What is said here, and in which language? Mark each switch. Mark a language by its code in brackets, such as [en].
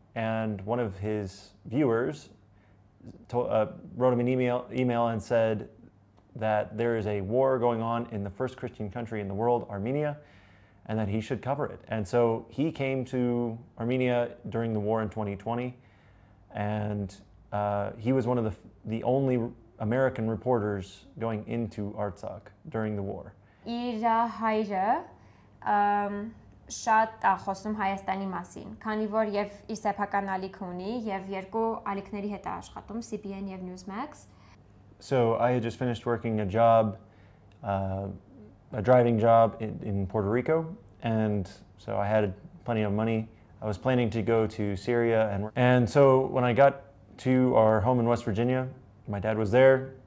[en] And one of his viewers wrote him an email and said that there is a war going on in the first Christian country in the world, Armenia, and that he should cover it. And so he came to Armenia during the war in 2020, and he was one of the only American reporters going into Artsakh during the war. [hy] Իր հայրը շատ է խոսում Հայաստանի մասին, քանի որ եւ իր սեփական ալիք ունի եւ երկու ալիքների հետ է աշխատում, CBN եւ Newsmax. [en] So I had just finished working a driving job in Puerto Rico, and so I had plenty of money. I was planning to go to Syria, and so when I got to our home in West Virginia, my dad was there.